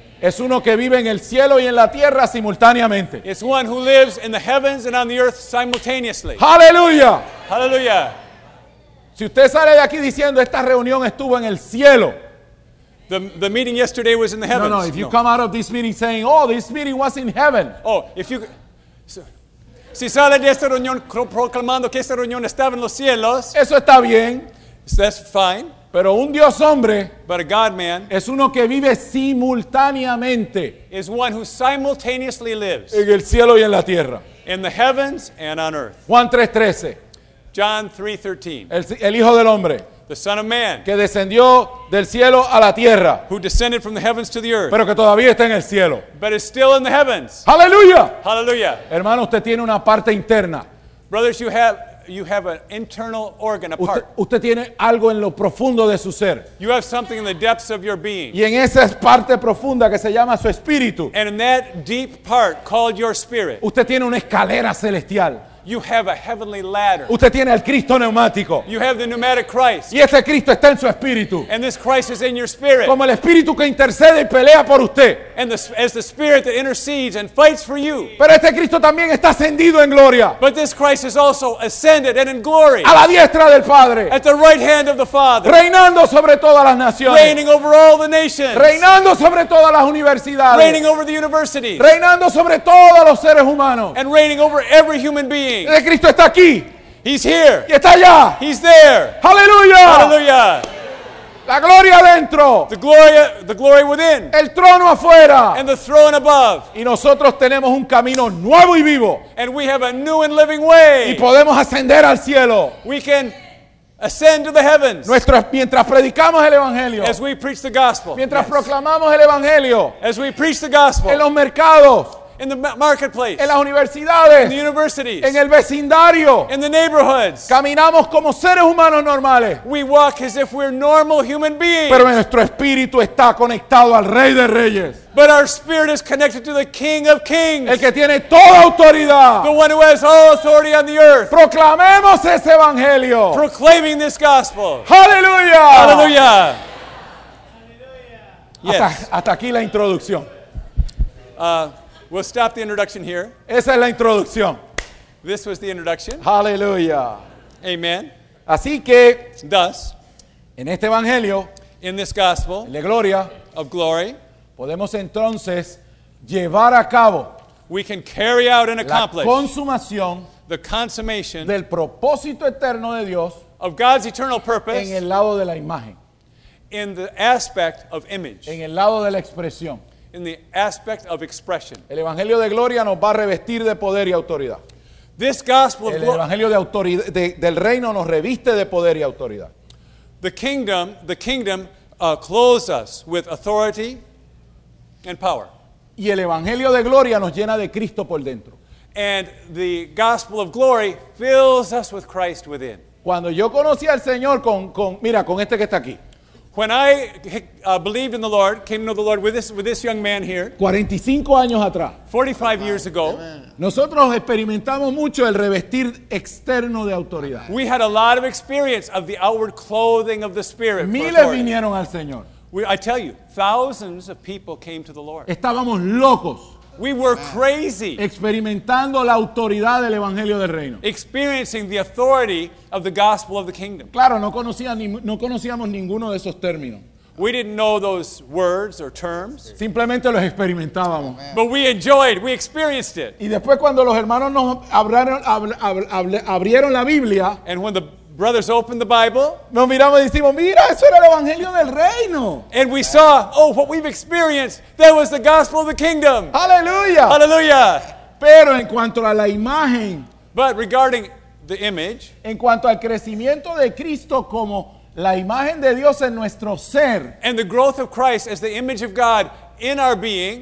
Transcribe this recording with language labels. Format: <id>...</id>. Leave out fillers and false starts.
<es>Es uno que vive en el cielo y en la tierra simultáneamente.</es> <en>It's one who lives in the heavens and on the earth simultaneously. Hallelujah. Hallelujah.</en> <es>Si usted sale de aquí diciendo esta reunión estuvo en el cielo.</es> <en>The meeting yesterday was in the heavens. No, if you come out of this meeting saying, oh, this meeting was in heaven. Oh, if you...</en> <es>Si sale de esta reunión proclamando que esta reunión estaba en los cielos. Eso está bien.</es> <en>That's fine.</en> <es>Pero un Dios hombre.</es> <en>But a God man.</en> <es>Es uno que vive simultáneamente.</es> <en>Is one who simultaneously lives.</en> <es>En el cielo y en la tierra.</es> <en>In the heavens and on earth.</en> <es>Juan 3:13.</es> <en>John 3:13.</en> <es>El Hijo del Hombre.</es> <en>The Son of Man.</en> <es>Que descendió del cielo a la tierra.</es> <en>Who descended from the heavens to the earth.</en> <es>Pero que todavía está en el cielo.</es> <en>But is still in the heavens. Hallelujah. Hallelujah.</en> <es>Hermano, usted tiene una parte interna.</es> <en>Brothers, you have an internal organ, a part.</en> <es>Usted tiene algo en lo profundo de su ser.</es> <en>You have something in the depths of your being.</en> <es>Y en esa parte profunda que se llama su espíritu.</es> <en>And in that deep part called your spirit.</en> <es>Usted tiene una escalera celestial.</es> <en>You have a heavenly ladder.</en> <es>Usted tiene el Cristo neumático.</es> <en>You have the pneumatic Christ.</en> <es>Y este Cristo está en su espíritu.</es> <en>And this Christ is in your spirit.</en> <es>Como el espíritu que intercede y pelea por usted.</es> <en>And as the spirit that intercedes and fights for you.</en> <es>Pero este Cristo también está ascendido en gloria.</es> <en>But this Christ is also ascended and in glory.</en> <es>A la diestra del Padre.</es> <en>At the right hand of the Father.</en> <es>Reinando sobre todas las naciones.</es> <en>Reigning over all the nations.</en> <es>Reinando sobre todas las universidades.</es> <en>Reigning over the universities.</en> <es>Reinando sobre todos los seres humanos.</es> <en>And reigning over every human being.</en> <es>El Cristo está aquí.</es> <en>He's here.</en> <es>Y está allá.</es> <en>He's there.</en> <es>Aleluya. Aleluya. La gloria adentro.</es> <en>The glory within.</en> <es>El trono afuera.</es> <en>And the throne above.</en> <es>Y nosotros tenemos un camino nuevo y vivo.</es> <en>And we have a new and living way.</en> <es>Y podemos ascender al cielo.</es> <en>We can ascend to the heavens.</en> <es>Nuestro, mientras predicamos el evangelio.</es> <en>As we preach the gospel.</en> <es>Mientras</es> <en>yes.</en> <es>proclamamos el evangelio.</es> <en>As we preach the gospel.</en> <es>En los mercados.</es> <en>In the marketplace,</en> <es>en las universidades,</es> <en>in the universities,</en> <es>en el vecindario,</es> <en>in the neighborhoods,</en> <es>caminamos como seres humanos normales.</es> <en>We walk as if we're normal human beings.</en> <es>Pero nuestro espíritu está conectado al Rey de Reyes.</es> <en>But our spirit is connected to the King of Kings.</en> <es>El que tiene toda autoridad.</es> <en>The one who has all authority on the earth.</en> <es>Proclamemos ese evangelio.</es> <en>Proclaiming this gospel. Hallelujah. Hallelujah. Yes.</en> <es>Hasta aquí la introducción.</es> <en>We'll stop the introduction here.</en> <es>Esa es la introducción.</es> <en>This was the introduction. Hallelujah. Amen.</en> <es>Así que,</es> <en>thus,</en> <es>en este evangelio,</es> <en>in this gospel,</en> <es>de gloria,</es> <en>of glory,</en> <es>podemos entonces llevar a cabo,</es> <en>we can carry out and accomplish,</en> <es>la consumación,</es> <en>the consummation,</en> <es>del propósito eterno de Dios,</es> <en>of God's eternal purpose,</en> <es>en el lado de la imagen,</es> <en>in the aspect of image,</en> <es>en el lado de la expresión.</es> <en>In the aspect of expression.</en> <es>El evangelio de gloria nos va a revestir de poder y autoridad.</es> <en>This gospel of glory.</en> <es>El evangelio de autoridad del reino nos reviste de poder y autoridad.</es> <en>The kingdom clothes us with authority and power.</en> <es>Y el evangelio de gloria nos llena de Cristo por dentro.</es> <en>And the gospel of glory fills us with Christ within.</en> <es>Cuando yo conocí al Señor con este que está aquí.</es> <en>When I believed in the Lord, came to know the Lord with this young man here.</en> <es>45 años atrás.</es> <en>45 years ago.</en> <es>Nosotros experimentamos mucho el revestir externo de autoridad.</es> <en>We had a lot of experience of the outward clothing of the Spirit.</en> <es>Miles vinieron al Señor.</es> <en>I tell you, thousands of people came to the Lord.</en> <es>Estábamos locos.</es> <en>We were crazy.</en> <es>Experimentando la autoridad del evangelio del reino.</es> <en>Experiencing the authority of the gospel of the kingdom.</en> <es>Claro, no conocíamos ninguno de esos términos.</es> <en>We didn't know those words or terms.</en> <es>Simplemente los experimentábamos.</es> <en>Amen. But we enjoyed, we experienced it.</en> <es>Y después cuando los hermanos nos abrieron la Biblia,</es> <en>and when the brothers opened the Bible,</en> <es>nos miramos y decimos, mira, eso era el evangelio del reino.</es> <en>And we saw, oh, what we've experienced, that was the gospel of the kingdom. Hallelujah. Hallelujah.</en> <es>Pero en cuanto a la imagen,</es> <en>but regarding the image,</en> <es>en cuanto al crecimiento de Cristo como la imagen de Dios en nuestro ser,</es> <en>and the growth of Christ as the image of God in our being,</en>